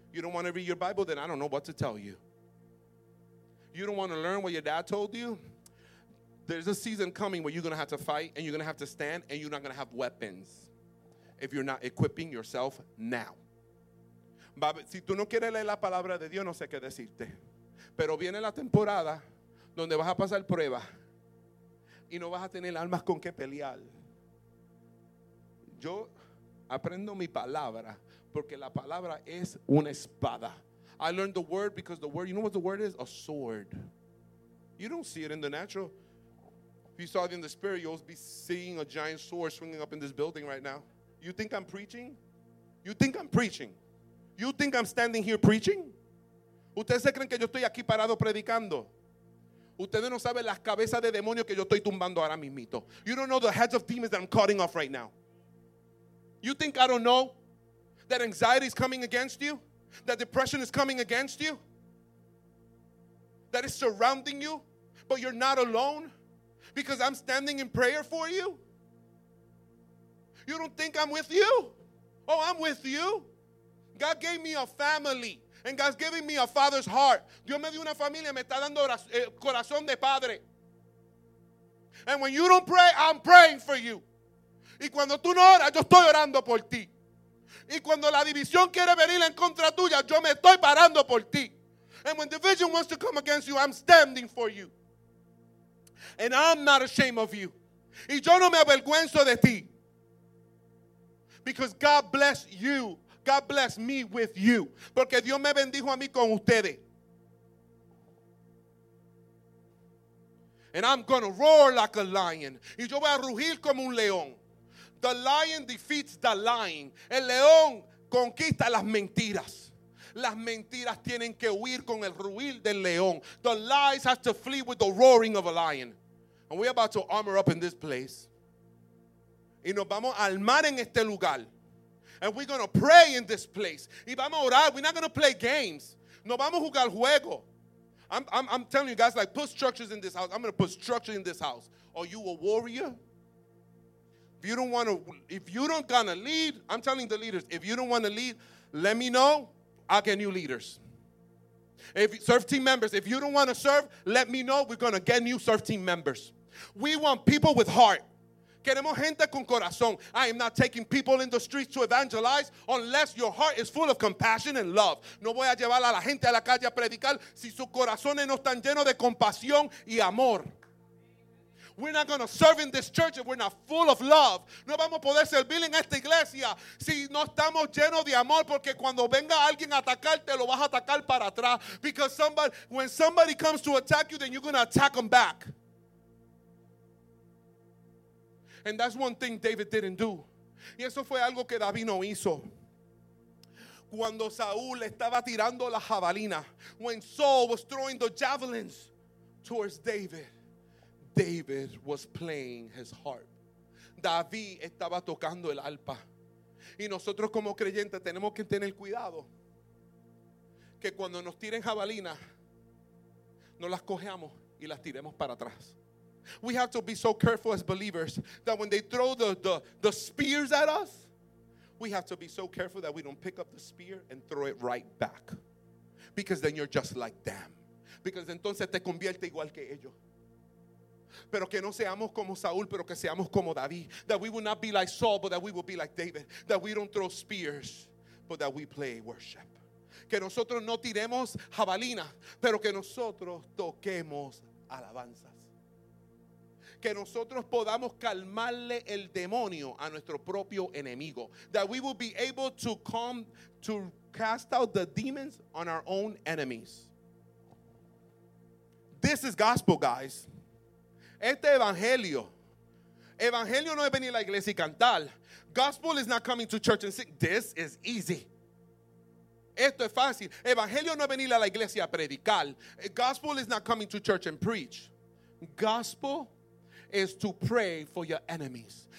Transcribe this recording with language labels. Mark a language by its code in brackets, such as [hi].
[en] You don't want to read your Bible? Then I don't know what to tell you. You don't want to learn what your dad told you? There's a season coming where you're going to have to fight and you're going to have to stand and you're not going to have weapons if you're not equipping yourself now. [es] Si tú no quieres leer la palabra de Dios, no sé qué decirte. Pero viene la temporada donde vas a pasar pruebas y no vas a tener armas con qué pelear. Yo aprendo mi palabra porque la palabra es una espada. [en] I learned the word because the word, you know what the word is? A sword. You don't see it in the natural. If you saw it in the spirit, you'll be seeing a giant sword swinging up in this building right now. You think I'm preaching? You think I'm preaching? You think I'm standing here preaching? [es] ¿Ustedes se creen que yo estoy aquí parado predicando? ¿Ustedes no saben las cabezas de demonios que yo estoy tumbando ahora mismito? [en] You don't know the heads of demons that I'm cutting off right now. You think I don't know that anxiety is coming against you? That depression is coming against you? That is surrounding you? But you're not alone because I'm standing in prayer for you? You don't think I'm with you? Oh, I'm with you. God gave me a family. And God's giving me a father's heart. [es] Dios me dio una familia, me está dando corazón de padre. [en] And when you don't pray, I'm praying for you. [es] Y cuando tú no oras, yo estoy orando por ti. Y cuando la división quiere venir en contra tuya, yo me estoy parando por ti. [en] And when division wants to come against you, I'm standing for you. And I'm not ashamed of you. [es] Y yo no me avergüenzo de ti. [en] Because God bless you. God bless me with you. [es] Porque Dios me bendijo a mí con ustedes. [en] And I'm going to roar like a lion. [es] Y yo voy a rugir como un león. [en] The lion defeats the lion. [es] El león conquista las mentiras. Las mentiras tienen que huir con el ruir del león. [en] The lies have to flee with the roaring of a lion. And we're about to armor up in this place. [es] Y nos vamos a armar en este lugar. [en] And we're going to pray in this place. [es] Y vamos a orar. [en] We're not going to play games. [es] No vamos a jugar juego. [en] I'm telling you guys, like, put structures in this house. I'm going to put structure in this house. Are you a warrior? If you don't gonna lead, I'm telling the leaders, if you don't want to lead, let me know. I'll get new leaders. If serve team members, if you don't want to serve, let me know. We're going to get new serve team members. We want people with heart. [es] Queremos gente con corazón. [en] I am not taking people in the streets to evangelize unless your heart is full of compassion and love. [es] No voy a llevar a la gente a la calle a predicar si sus corazones no están llenos de compasión y amor. [en] We're not going to serve in this church if we're not full of love. [es] No vamos a poder servir en esta iglesia si no estamos llenos de amor, porque cuando venga alguien a atacarte, lo vas a atacar para atrás. [en] Because when somebody comes to attack you, then you're going to attack them back. And that's one thing David didn't do. [es] Y eso fue algo que David no hizo. Cuando Saúl estaba tirando la jabalina, [en] when Saul was throwing the javelins towards David, David was playing his harp. [es] David estaba tocando el arpa. Y nosotros como creyentes tenemos que tener cuidado que cuando nos tiren jabalina, no las cogemos y las tiremos para atrás. [en] We have to be so careful as believers that when they throw the spears at us, we have to be so careful that we don't pick up the spear and throw it right back. Because then you're just like them. Because [es] entonces te convierte igual que ellos. Pero que no seamos como Saúl, pero que seamos como David. [en] That we will not be like Saul, but that we will be like David. That we don't throw spears, but that we play worship. [es] Que nosotros no tiremos jabalina, pero que nosotros toquemos alabanzas. Que nosotros podamos calmarle el demonio a nuestro propio enemigo. [en] That we will be able to come to cast out the demons on our own enemies. This is gospel, guys. [es] Este evangelio. Evangelio no es venir a la iglesia y cantar. [en] Gospel is not coming to church and sing. This is easy. [es] Esto es fácil. Evangelio no es venir a la iglesia a predicar. [en] Gospel is not coming to church and preach. Gospel is to pray for your enemies.